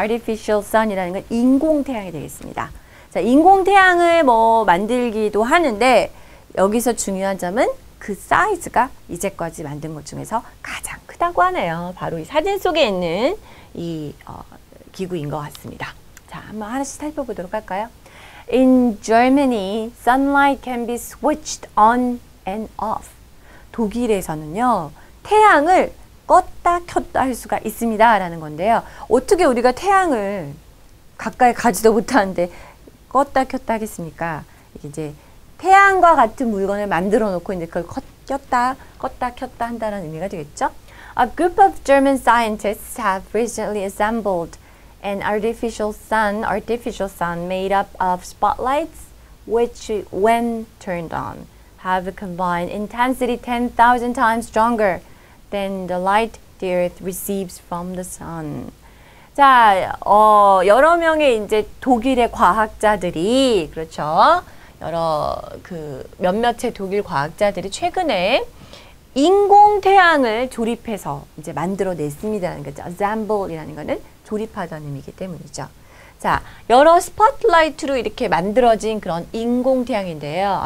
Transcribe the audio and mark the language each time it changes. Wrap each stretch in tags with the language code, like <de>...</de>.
<ko>Artificial sun이라는 건 인공 태양이 되겠습니다. 자, 인공 태양을 뭐 만들기도 하는데, 여기서 중요한 점은 그 사이즈가 이제까지 만든 것 중에서 가장 크다고 하네요. 바로 이 사진 속에 있는 이 기구인 것 같습니다. 자, 한번 하나씩 살펴보도록 할까요?</ko> <en>In Germany, sunlight can be switched on and off.</en> <ko>독일에서는요, 태양을 껐다 켰다 할 수가 있습니다. 라는 건데요. 어떻게 우리가 태양을 가까이 가지도 못하는데 껐다 켰다 하겠습니까? 이제 태양과 같은 물건을 만들어 놓고 이제 그걸 껐다 켰다 한다는 의미가 되겠죠?</ko> <en>A group of German scientists have recently assembled an artificial sun made up of spotlights which when turned on have a combined intensity 10,000 times stronger than the light the earth receives from the sun.</en> <ko>자, 여러 명의 이제 독일의 과학자들이 그렇죠? 여러 그 몇몇의 독일 과학자들이 최근에 인공 태양을 조립해서 이제 만들어 냈습니다라는 거죠. Assemble이라는 거는 조립하다는 의미이기 때문이죠. 자, 여러 스팟라이트로 이렇게 만들어진 그런 인공 태양인데요.</ko>